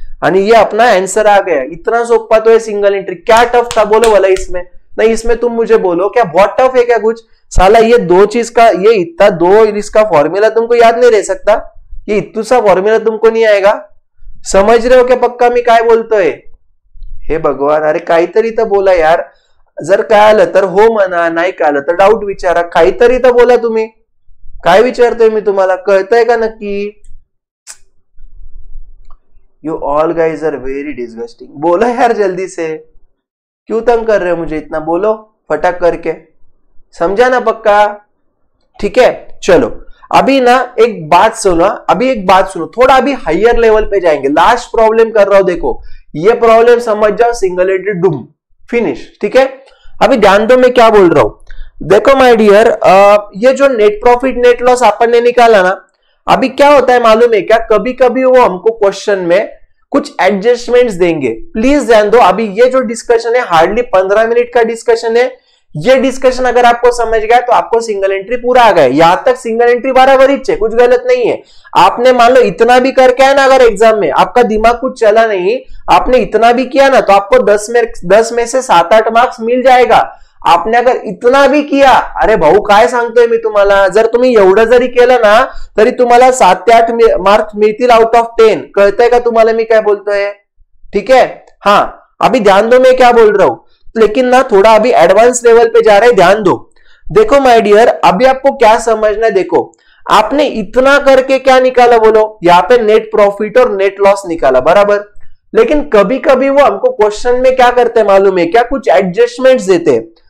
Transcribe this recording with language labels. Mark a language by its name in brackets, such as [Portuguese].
[Hindi] अनि ये अपना आंसर आ गया, इतना सोपा तो है सिंगल एंट्री, क्या टफ था बोलो वाला इसमें, नहीं इसमें तुम मुझे बोलो क्या बहुत टफ है क्या कुछ साला। ये दो चीज का, ये इतना दो इसका फॉर्मूला तुमको याद नहीं रह सकता, ये इतना सा फॉर्मूला तुमको नहीं आएगा, समझ रहे हो क्या पक्का मैं काय बोलतो है। [Marathi] हे भगवान, अरे काहीतरी तो बोला यार, जर काय आलं तर हो म्हणा, नाही काय आलं तर डाउट विचारा, काहीतरी तो बोला तुम्ही, काय विचारतोय मी तुम्हाला, कळतंय का नक्की। [English] you all guys are very disgusting, [Hindi] बोलो यार जल्दी से, क्यों तंग कर रहे हो मुझे इतना, बोलो फटाक करके, समझा ना पक्का, ठीक है। चलो अभी ना एक बात सुनो, अभी एक बात सुनो, थोड़ा अभी हायर लेवल पे जाएंगे, लास्ट प्रॉब्लम कर रहा हूं, देखो ये प्रॉब्लम समझ जाओ, सिंगल एंट्री डूम फिनिश, ठीक है। अभी ध्यान दो मैं क्या बोल रहा हूं, देखो माय डियर, ये जो नेट प्रॉफिट नेट लॉस आपन ने निकाला ना, अभी क्या होता है मालूम है क्या, कभी कभी वो हमको क्वेश्चन में कुछ एडजस्टमेंट्स देंगे। प्लीज ध्यान दो, अभी ये जो डिस्कशन है हार्डली 15 मिनट का डिस्कशन है, ये डिस्कशन अगर आपको समझ गया तो आपको सिंगल एंट्री पूरा आ गया, यहां तक सिंगल एंट्री बराबर ही है, कुछ गलत नहीं है। आपने मान लो इतना भी करके आया ना, अगर एग्जाम में आपका दिमाग कुछ चला नहीं, आपने इतना भी किया ना, तो आपको 10 में से 7-8 मार्क्स मिल जाएगा। आपने अगर इतना भी किया, [Marathi] अरे भाऊ काय सांगतोय मी तुम्हाला, जर तुम्ही एवढं जरी केलं ना तरी तुम्हाला 7-8 मार्क्स मिळतील आउट ऑफ 10, कळतंय का तुम्हाला मी काय बोलतोय, ठीक आहे। [Hindi] हां अभी ध्यान दो मैं क्या बोल रहा हूं, लेकिन ना थोड़ा अभी एडवांस लेवल पे जा रहे हैं, ध्यान दो। देखो माय डियर, अभी आपको क्या समझना है, देखो आपने इतना करके क्या निकाला बोलो, यहाँ पे नेट प्रॉफिट और नेट लॉस निकाला, बराबर। लेकिन कभी कभी वो हमको क्वेश्चन में क्या करते हैं मालूम है क्या, कुछ एडजस्टमेंट्स देते हैं।